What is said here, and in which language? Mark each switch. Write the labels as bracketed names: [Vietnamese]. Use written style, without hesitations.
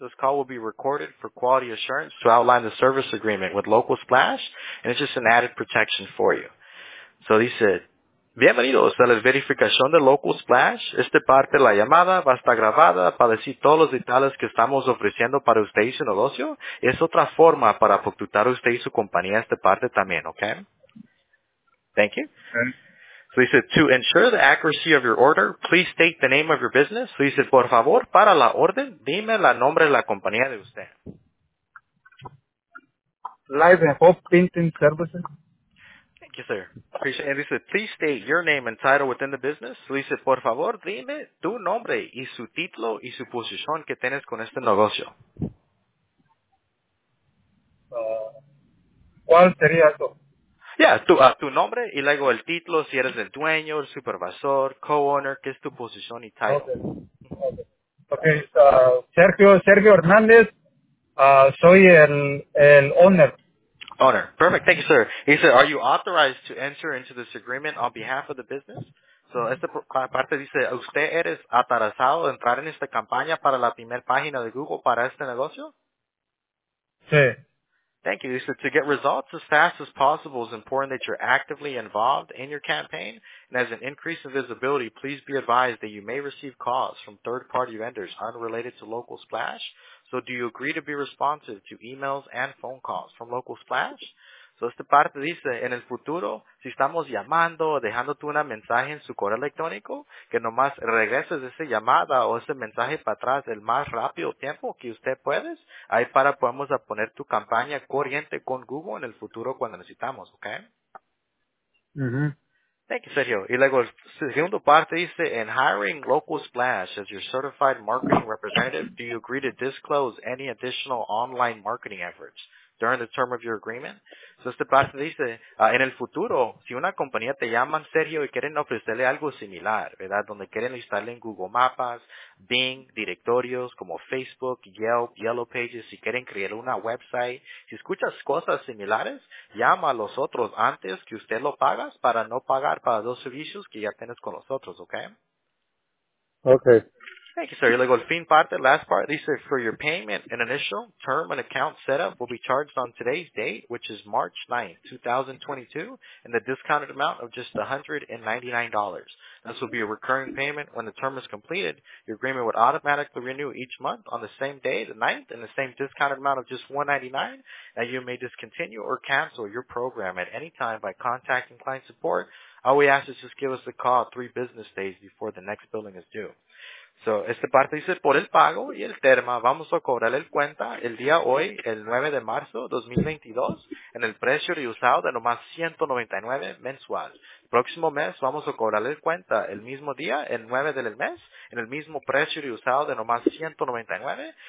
[English] This call will be recorded for quality assurance to outline the service agreement with Local Splash, and it's just an added protection for you. So he said, [Spanish] bienvenidos a la verificación de Local Splash. Esta parte de la llamada va a estar grabada para decir todos los detalles que estamos ofreciendo para usted y su negocio. Es otra forma para facturar usted y su compañía esta parte también, ¿ok? [English] Thank you. Okay. So he said, to ensure the accuracy of your order, please state the name of your business. So he said, [Spanish] por favor, para la orden, dime el nombre de la compañía de usted. [English] Live and Hope Printing Services. Thank you, sir. Appreciate it. And he said, please state your name and title within the business. [Spanish] So he said, por favor, dime tu nombre y su título y su posición que tienes con este negocio. ¿Cuál sería eso? Yeah, tu nombre y luego el título, si eres el dueño, el supervisor, co-owner, qué es tu posición y title. [English] Okay. [Spanish] Sergio Hernández, soy el owner. [English] Owner. Perfect. Thank you, sir. He said, are you authorized to enter into this agreement on behalf of the business? [Spanish] So, esta parte dice, ¿usted eres autorizado a entrar en esta campaña para la primer página de Google para este negocio? Sí. [English] Thank you. He said, to get results as fast as possible, it's important that you're actively involved in your campaign. And as an increase in visibility, please be advised that you may receive calls from third-party vendors unrelated to Local Splash. So, do you agree to be responsive to emails and phone calls from Local Splash? [Spanish] So, esta parte dice, en el futuro, si estamos llamando o dejándote una mensaje en su correo electrónico, que nomás regreses esa llamada o ese mensaje para atrás el más rápido tiempo que usted puedes, ahí para podemos poner tu campaña corriente con Google en el futuro cuando necesitamos, ¿ok? Mm-hmm. [English] Thank you, Sergio. Y luego, segundo parte dice, in hiring Local Splash as your certified marketing representative, do you agree to disclose any additional online marketing efforts during the term of your agreement. [Spanish] So este parte dice, en el futuro, si una compañía te llama, Sergio, y quieren ofrecerle algo similar, ¿verdad? Donde quieren instalarle en Google Maps, Bing, directorios como Facebook, Yelp, Yellow Pages, si quieren crear una website, si escuchas cosas similares, llama a los otros antes que usted lo pagas para no pagar para dos servicios que ya tienes con los otros, ¿ok? [English] Okay. Thank you, sir. [Spanish] Y luego el fin parte, [English] last part, dice, for your payment, an initial term and account setup will be charged on today's date, which is March 9th, 2022, and the discounted amount of just $199. This will be a recurring payment. When the term is completed, your agreement would automatically renew each month on the same day, the 9th, and the same discounted amount of just $199. Now, you may discontinue or cancel your program at any time by contacting client support. All we ask is just give us a call 3 business days before the next billing is due. [Spanish] So, esta parte dice, por el pago y el termo, vamos a cobrarle el cuenta el día hoy, el 9 de marzo 2022, en el precio reusado de nomás $199 mensual. Próximo mes, vamos a cobrarle el cuenta el mismo día, el 9 del mes, en el mismo precio reusado de nomás $199.